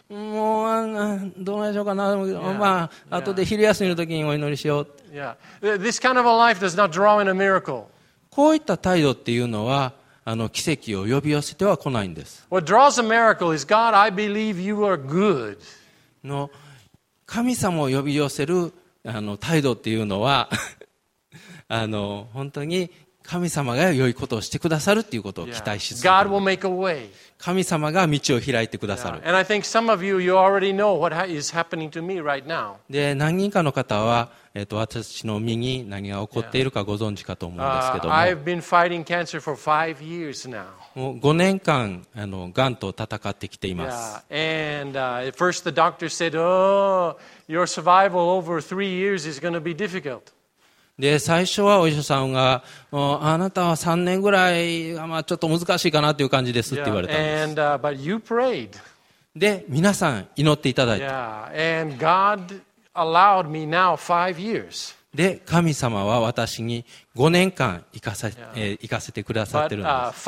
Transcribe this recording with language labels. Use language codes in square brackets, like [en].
[ja] もうどうなんでしょうかな。 [en] Yeah. まあ、yeah. [ja] 後で昼休みの時にお祈りしよう。 [en] Yeah. This kind of a life does not draw in a miracle. [ja] こういった態度っていうのは奇跡を呼び寄せては来ないんです。 [en] What draws a miracle is God. I believe you are good. [ja] の神様を呼び寄せる態度っていうのは本当に。神様が良いことをしてくださるということを期待し続けます。Yeah. 神様が道を開いてくださる。 [en] Yeah. And I think some of you, you already know what is happening to me right now. [ja] で、何人かの方は、私の身に何が起こっているかご存知かと思うんですけども。 [en] I've been fighting cancer for 5 years now. [ja] もう5年間、癌と戦ってきています。 [en] Yeah. And at first the doctor said, oh, your survival over 3 years is going to be difficult. [ja] で最初はお医者さんがあなたは3年ぐらいが、まあ、ちょっと難しいかなという感じですって言われたんです。 [en] but you prayed. [ja] で皆さん祈っていただいた。 [en] yeah. And God allowed me now 5 years. [ja] で神様は私に5年間行かせてくださってるんです。